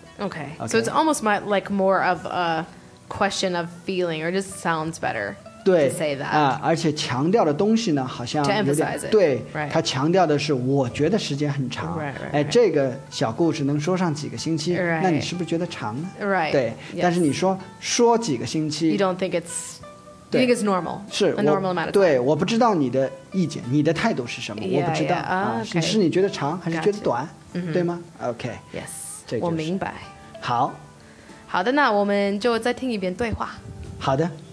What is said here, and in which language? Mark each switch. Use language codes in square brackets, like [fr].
[en] okay. Okay. So it's almost my, like more of a question of feeling or just sounds better [zh] 对 [en] to say that.、 [zh] 而且强调的东西呢好像 [en] to emphasize it [zh] 对、 [en] right. [zh] 他强调的是我觉得时间很长 [en] right, right, 哎、 right. [zh] 这个小故事能说上几个星期、 [en] right. [zh] 那你是不是觉得长呢 [en] right [zh] 对、 [en] yes. [zh] 但是你说说几个星期 [en] you don't think it's you think it's normal [zh] 是 [en] a normal amount of time [zh] 对我不知道你的意见你的态度是什么 [en] yeah, [zh] 我不知道、 [en] yeah. Okay. [zh] 是你觉得长还是觉得短、 [en] gotcha. [zh] 对吗 OK [en] yes [zh] 这、就是、我明白好好的那我们就再听一遍对话好的